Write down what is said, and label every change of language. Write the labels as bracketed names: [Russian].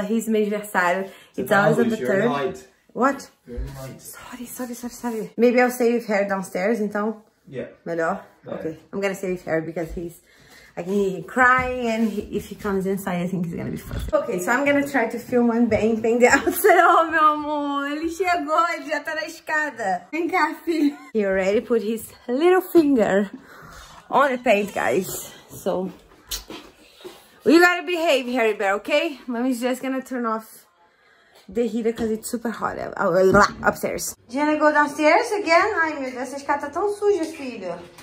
[English] His major side, it's always on the 3rd. Night. What? Your night. Sorry. Maybe I'll stay with her downstairs, então. Yeah. [Portuguese] Melhor? [English] Yeah. Okay. I'm going to stay with her because he's, I can hear him crying, and if he comes inside, I think he's going to be fucked. Okay, so I'm going to try to film one bang the outside. [Portuguese] Oh, meu amor, ele chegou, ele já tá na escada. Vem cá, filho. [English] He already put his little finger on the paint, guys. So you gotta behave, Harry Bear, okay? Mommy's just gonna turn off the heater because it's super hot. Upstairs. Do you wanna go downstairs again? [Portuguese] Ai, meu Deus, essa escada tá tão suja, filho.